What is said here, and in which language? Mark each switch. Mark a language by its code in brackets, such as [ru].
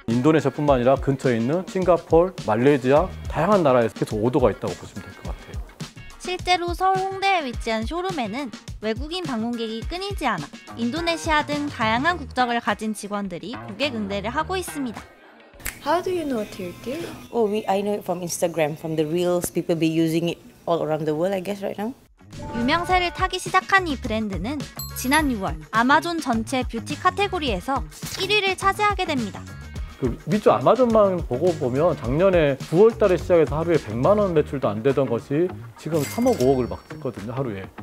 [ko] 인도네시아뿐만 아니라 근처에 있는 싱가포르, 말레이시아, 다양한 나라에서 계속 오더가 있다고 보시면 될 것 같아요. 실제로 서울 홍대에 위치한 쇼룸에는 외국인 방문객이 끊이지 않아 인도네시아 등 다양한 국적을 가진 직원들이 고객 응대를 하고 있습니다. [en] How do you know Tirti? Oh, I know it from Instagram, from the reels. People be using it all around the world, I guess, right now. [ko] 유명세를 타기 시작한 이 브랜드는 지난 6월 아마존 전체 뷰티 카테고리에서 1위를 차지하게 됩니다. 그 밑줄 아마존만 보고 보면 작년에 9월 달에 시작해서 하루에 100만 원 매출도 안 되던 것이 지금 3억 5억을 막 찍거든요, 하루에.